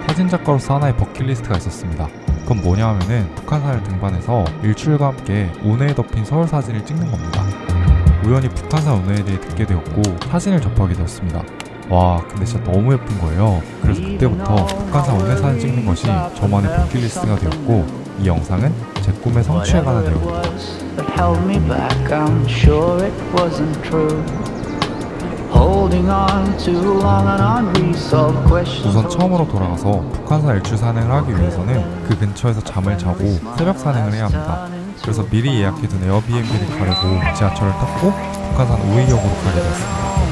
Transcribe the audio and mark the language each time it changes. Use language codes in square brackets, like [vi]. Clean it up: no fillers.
[ko] 작가로서 하나의 버킷리스트가 있었습니다. 그건 뭐냐 하면은 북한산을 등반해서 일출과 함께 운해에 덮인 서울 사진을 찍는 겁니다. 우연히 북한산 운해에 대해 듣게 되었고 사진을 접하게 되었습니다. 와, 근데 진짜 너무 예쁜 거예요. 그래서 그때부터 북한산 운해 사진 찍는 것이 저만의 버킷리스트가 되었고 이 영상은 제 꿈의 성취에 관한 내용입니다. [en] Held me back, I'm sure it wasn't true. Holding on too long and unresolved questions. [ko] 우선 처음으로 돌아가서 북한산 일출 산행을 하기 위해서는 그 근처에서 잠을 자고 새벽 산행을 해야 합니다. 그래서 미리 예약해둔 에어비앤비를 가려고 지하철을 탔고 북한산 우이역으로 가게 되었습니다.